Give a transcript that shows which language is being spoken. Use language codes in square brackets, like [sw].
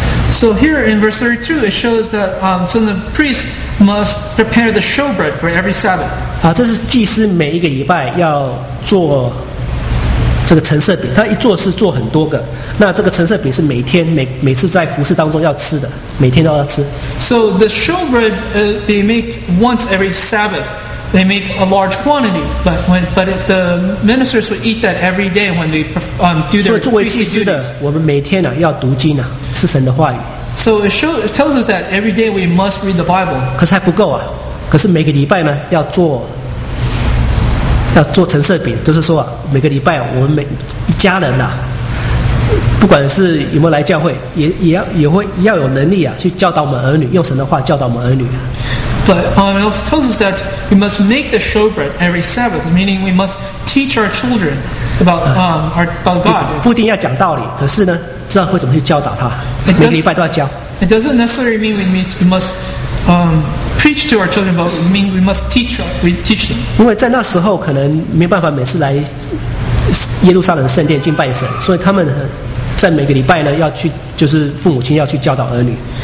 [en] So here in verse 32, it shows that so the priest must prepare the showbread for every Sabbath. [zh] 这是祭司每一个礼拜要做这个陈设饼，他一做是做很多个。那这个陈设饼是每天每次在服事当中要吃的，每天都要吃。 [en] So the showbread they make once every Sabbath. They make a large quantity, but if the ministers would eat that every day when they do their priestly duties. [zh] 所以作为祭司的，我们每天呢要读经啊，是神的话语。 [en] So it tells us that every day we must read the Bible. [zh] 可是还不够啊，可是每个礼拜呢要做陈设饼，就是说啊，每个礼拜我们每一家人呐、啊，不管是有没有来教会，也要有能力啊，去教导我们儿女，用神的话教导我们儿女。 [en] But it also tells us that we must make the showbread every Sabbath, meaning we must teach our children about God. [zh] 不一定要讲道理，可是呢，知道会怎么去教导他。每个礼拜都要教。 [en] It doesn't necessarily mean we must preach to our children, but we mean we must teach them. [zh] 因为在那时候可能没办法每次来耶路撒冷圣殿敬拜神，所以他们在每个礼拜呢要去，就是父母亲要去教导儿女。